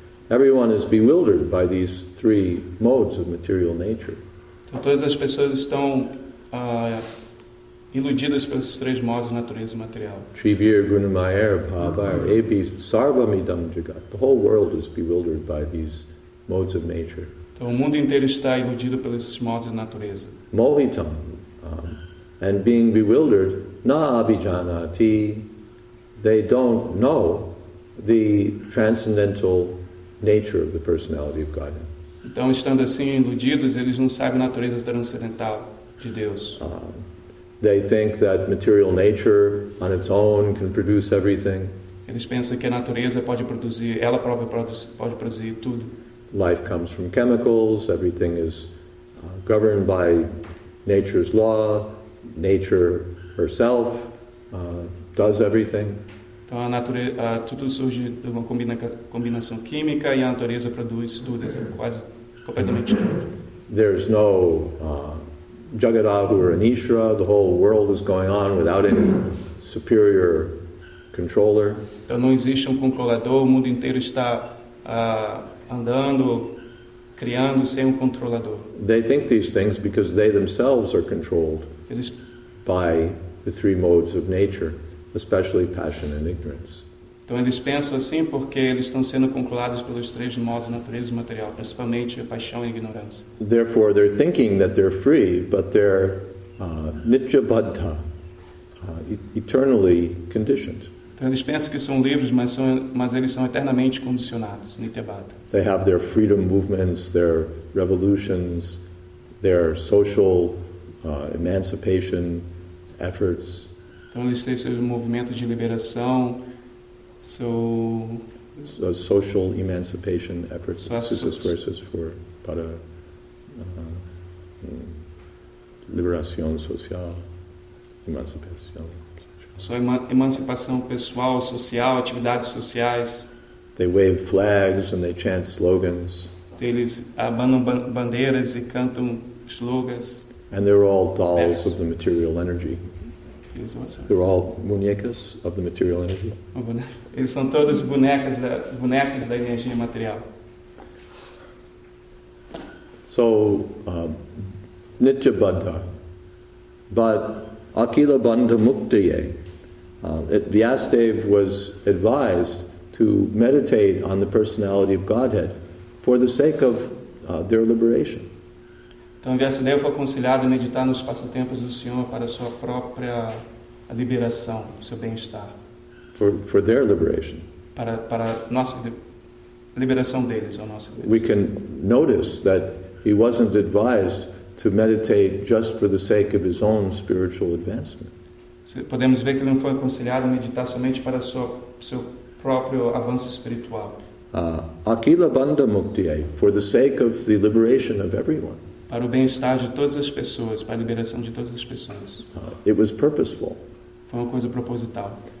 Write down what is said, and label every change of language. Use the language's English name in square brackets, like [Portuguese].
[English] Everyone is bewildered by these three modes of material nature. [Portuguese] Todas as pessoas estão iludidas pelos três modos da natureza material. [Sanskrit] Trivir Grunemeyer, Pavar, Abis, Sarvamidam Jagat. [English] The whole world is bewildered by these modes of nature. [Portuguese] Então, o mundo inteiro está iludido pelos modos da natureza. [Sanskrit] Mohitam, [English] and being bewildered, [Sanskrit] na abhijanati, [English] they don't know the transcendental nature of the personality of God. [Portuguese] Então, estando assim iludidos, eles não sabem a natureza transcendental de Deus. [English] They think that material nature on its own can produce everything. [Portuguese] Eles pensam que a natureza pode produzir, ela própria pode produzir tudo. [English] Life comes from chemicals, everything is governed by nature's law, nature herself does everything. [Portuguese] Então a natureza, tudo surge de uma combinação química e a natureza produz tudo, quase completamente tudo. [English] There's no Jagadagur and Ishra, the whole world is going on without any superior controller. [Portuguese] Então não existe controlador, o mundo inteiro está andando, criando sem controlador. [English] They think these things because they themselves are controlled by the three modes of nature, especially passion and ignorance. [Portuguese] Então eles pensam assim porque eles estão sendo controlados pelos três modos da natureza material, principalmente a paixão e a ignorância. [English] Therefore, they're thinking that they're free, but they're nityabaddha, eternally conditioned. [Portuguese] Então eles pensam que são livres, mas eles são eternamente condicionados, nityabaddha. [English] They have their freedom movements, their revolutions, their social emancipation efforts. [Portuguese] Então eles têm seus movimentos de liberação. [English] So social emancipation efforts. This is verses for [Spanish] para liberación social, emancipación. [Portuguese] So emancipação pessoal, social, atividades sociais. [English] They wave flags and they chant slogans. [Portuguese] Eles abanam bandeiras e cantam slogans. [English] And they're all dolls of the material energy. They're all muñecas of the material energy. [Portuguese] Eles são todos bonecas da energia material. [Sanskrit] So, nityabaddha. But akila bandha muktaye. [English] Vyasadeva was advised to meditate on the personality of Godhead for the sake of their liberation. [Portuguese] Então Vyasadeva foi aconselhado a meditar nos passatempos do Senhor para sua própria a liberação, o seu bem-estar. [English] For their liberation. [Portuguese] Para nossa liberação deles, ou nossa liberação. [English] We can notice that he wasn't advised to meditate just for the sake of his own spiritual advancement. [Portuguese] Podemos ver que ele não foi aconselhado a meditar somente para seu próprio avanço espiritual. [Sanskrit] Akila bandha muktiye, [English] for the sake of the liberation of everyone. [Portuguese] Para o bem-estar de todas as pessoas, para a liberação de todas as pessoas. [English] It was purposeful. [Portuguese] Foi uma coisa proposital.